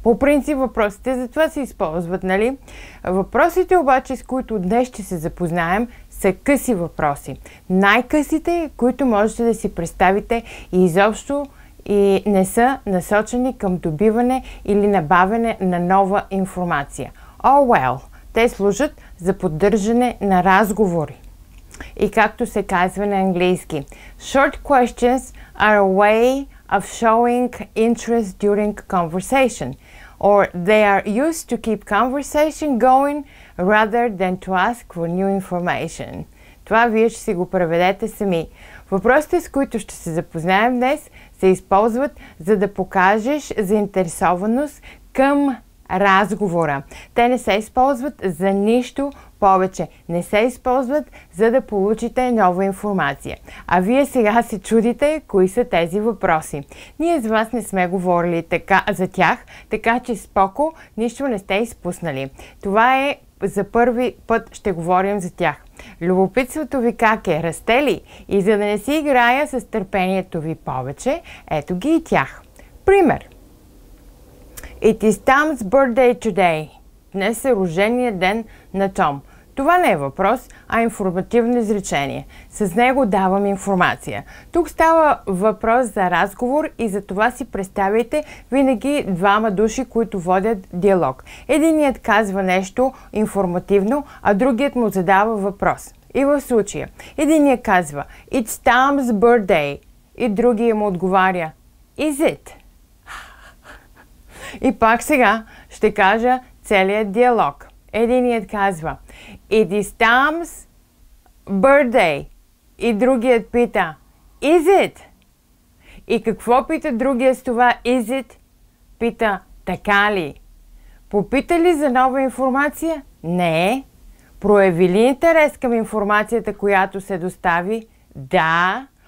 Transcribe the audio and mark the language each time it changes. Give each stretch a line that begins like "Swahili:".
Bulgarian: По принцип въпросите за това се използват, нали? Въпросите обаче, с които днес ще се запознаем, са къси въпроси. Най-късите, които можете да си представите и изобщо и не са насочени към добиване или набавяне на нова информация.
English: Oh well,
Bulgarian: те служат за поддържане на разговори. И както се казва на английски,
English: short questions are a way of showing interest during conversation, or they are used to keep conversation going rather than to ask for new information.
Bulgarian: Това вие ще си го преведете сами. Въпросите, с които ще се запознаем днес, се използват за да покажеш заинтересованост към разговора. Те не се използват за нищо повече. Не се използват, за да получите нова информация. А вие сега се чудите, кои са тези въпроси. Ние с вас не сме говорили така за тях, така че споко нищо не сте изпуснали. Това е за първи път ще говорим за тях. Любопитството ви как е? Расте ли? И за да не си играя с търпението ви повече, ето ги и тях. Пример.
English: It is Tom's birthday today.
Bulgarian: Днес е рождения ден на Том. Това не е въпрос, а информативно изречение. С него давам информация. Тук става въпрос за разговор и за това си представяйте винаги двама души, които водят диалог. Единият казва нещо информативно, а другият му задава въпрос. И в случая, единият казва
English: It's Tom's birthday.
Bulgarian: И другият му отговаря
English: Is it?
Bulgarian: И пак сега ще кажа целият диалог. Единият казва
English: It is Tom's birthday.
Bulgarian: И другият пита
English: Is it?
Bulgarian: И какво пита другия с това Is it? Пита Така ли? Попита ли за нова информация? Не. Прояви ли интерес към информацията, която се достави? Да.